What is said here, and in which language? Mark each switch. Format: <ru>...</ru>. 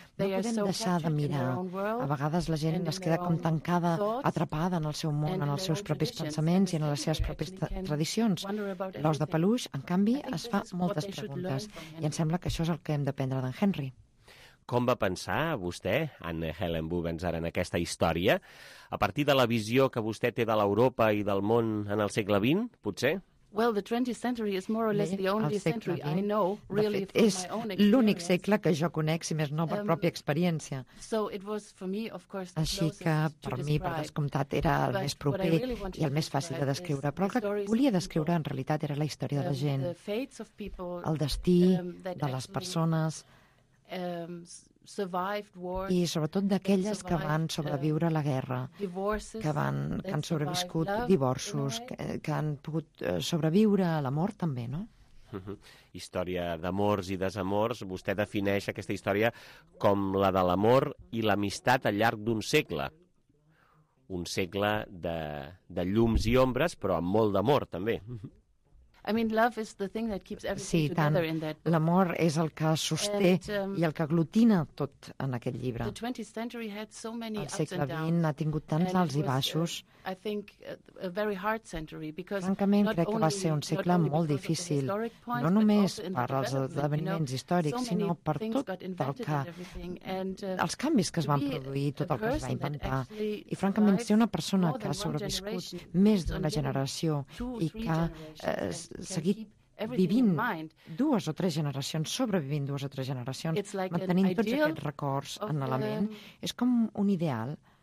<ca>No podem deixar de mirar. A vegades la gent es queda com tancada, atrapada en el seu món, en els seus propis pensaments i en les seves pròpies tradicions. L'os de peluix, en canvi, es fa moltes preguntes i em sembla que això és el que hem d'aprendre d'en Henry. Com va pensar vostè, Anne Helen Bubenza, en aquesta història? A partir de la visió que vostè té de l'Europa i del món en el segle XX, potser?</ca> <en>Well, the 20th century is more or less the only century I know, really, from my own experience.</en> <ca>És l'únic segle que jo conec, si més no, per pròpia experiència.</ca> <en>So it was for me, of course,</en> <ca>així que per mi, per descomptat, era el més proper i el més fàcil de descriure. Però el que volia descriure, en realitat, era la història de la gent, el destí de les persones, i sobretot d'aquelles que van sobreviure la guerra, que han sobreviscut divorços, que han pogut sobreviure a la mort també, no? Història d'amors i desamors. Vostè defineix aquesta història com la de l'amor i l'amistat al llarg d'un segle. Un segle de llums i ombres, però amb molt d'amor també.</ca> <en>I mean, love is the thing that keeps everything together in that book.</en> <ca>Sí, tant. L'amor és el que sosté i el que aglutina tot en aquest llibre.</ca> <en>The 20th century had so many ups and downs.</en> <ca>El segle XX ha tingut tants alts i baixos.</ca> <en>I think a very hard century because</en> <ca>francament crec que va ser un segle molt difícil, no només per als esdeveniments històrics, sinó per tot el que, els canvis que es van produir, tot el que es va inventar. I francament, ser una persona que ha sobreviscut més d'una generació i que ha seguit vivint dues o tres generacions, sobrevivint dues o tres generacions, mantenint tots aquests records en la ment, és com un ideal.</ca>